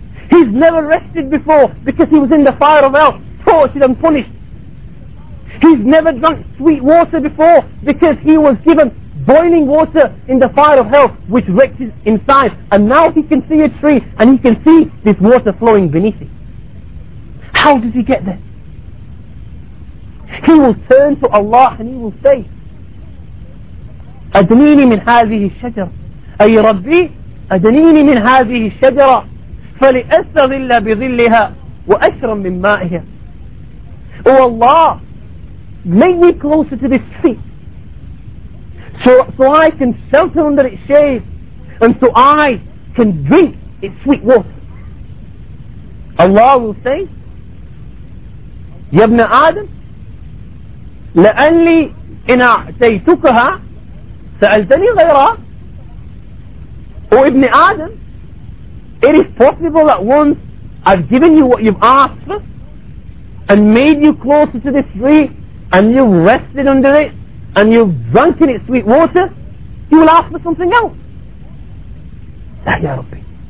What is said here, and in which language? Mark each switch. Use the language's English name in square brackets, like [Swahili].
[English] He's never rested before because he was in the fire of hell, tortured and punished. He's never drunk sweet water before because he was given boiling water in the fire of hell, which wrecked his inside. And now he can see a tree and he can see this water flowing beneath it. How did he get there? He will turn to Allah and he will say, [Arabic] أدنيني من هذه الشجرة أي ربي أدنيني من هذه الشجرة فلأستظل بظلها وأشرب من مائها. [English] Oh Allah, make me closer to this tree so I can shelter under its shade and so I can drink its sweet water. Allah will say, [Arabic] يبنى آدم لأني إن أعتيتكها سألتني غيرها. [English] O Ibn Adam, it is possible that once I've given you what you've asked for and made you closer to this tree and you've rested under it and you've drunk in its sweet water, you will ask for something else. Ah, Ya Rabbi.